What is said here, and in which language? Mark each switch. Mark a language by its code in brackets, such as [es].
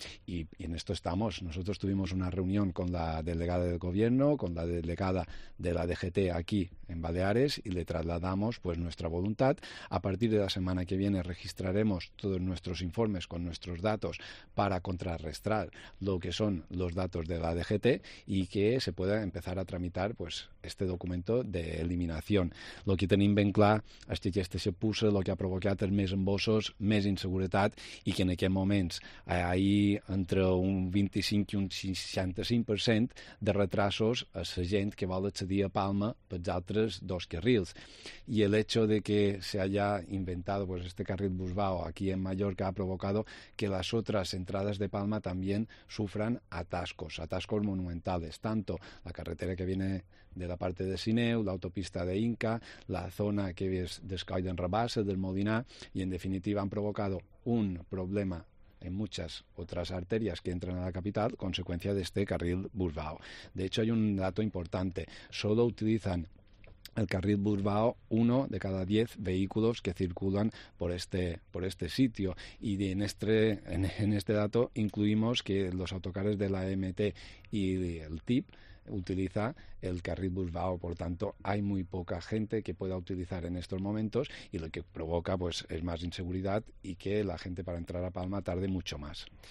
[es] Y en esto estamos. Nosotros tuvimos una reunión con la delegada del Gobierno, con la delegada de la DGT aquí en Baleares y le trasladamos pues, nuestra voluntad. A partir de la semana que viene registraremos todos nuestros informes con nuestros datos para contrarrestar lo que son los datos de la DGT y que se pueda empezar a tramitar pues, este documento de eliminación. [ca] Lo que tenim ben clar és que aquesta xapussa lo que ha provocat és més embossos, més inseguretat i que en aquests moments hi ha entre un 25 i un 65% de retrasos a la gent que vol accedir a Palma per als altres dos carrils. [es] I el hecho de que se haya inventado pues, este carril bus-vao aquí en Mallorca ha provocado que las otras entradas de Palma también sufran atascos monumentales. Tanto la carretera que viene de la parte de Sineu, [ca] l'autopista d'Inca, la zona que és d'Escoll d'en Rabassa, del Molinar, i en definitiva han provocat un problema en moltes altres artèries que entren a la capital, conseqüència d'este carril bus-vao. [es] De hecho, hay un dato importante. Solo utilizan el carril bus-vao uno de cada 10 vehículos que circulan por este sitio. Y en este dato incluimos que los autocares de la EMT y el TIP utiliza el carril bus-vao, por tanto hay muy poca gente que pueda utilizar en estos momentos y lo que provoca pues es más inseguridad y que la gente para entrar a Palma tarde mucho más.